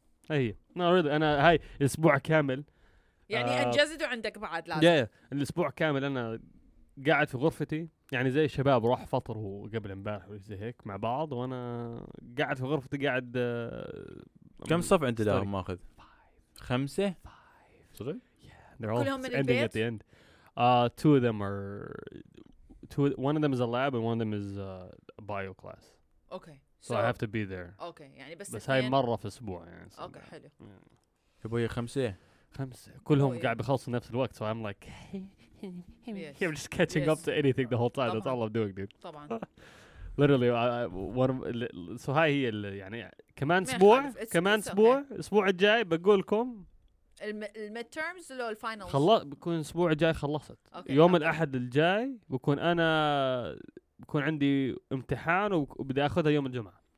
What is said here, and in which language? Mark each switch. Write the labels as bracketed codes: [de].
[ar] هاي نريد انا هاي اسبوع كامل يعني انجزت عندك بعد لازم الاسبوع كامل انا قاعد في غرفتي يعني زي الشباب راح فطر وقبل امبارح وزي هيك مع بعض وانا قاعد في غرفتي قاعد كم صف انت داهم ماخذ خمسة؟ صدق؟ [en] Yeah, they're all ending at the end. Two of them are two. One of them is a lab and one of them is a bio class. Okay. So I have to be there. Okay. [ar] يعني بس. بس هاي مرة في أسبوع يعني. [en] Okay. [ar] حلو. يا بوي خمسة. خمسة. كلهم قاعد بخلص نفس الوقت. [en] So I'm like, hey, I'm just catching up to anything the whole time. That's all I'm doing, dude. [ar] طبعاً. [en] Literally, so [ar] هاي هي ال يعني. كمان اسبوع كمان اسبوع الاسبوع الجاي بقول لكم الميد تيرمز لو الفاينلز خلص بكون الاسبوع الجاي خلصت [en] okay. [ar] يوم [en] okay. [ar] الاحد الجاي بكون انا بكون عندي امتحان وبدي اخذها يوم الجمعه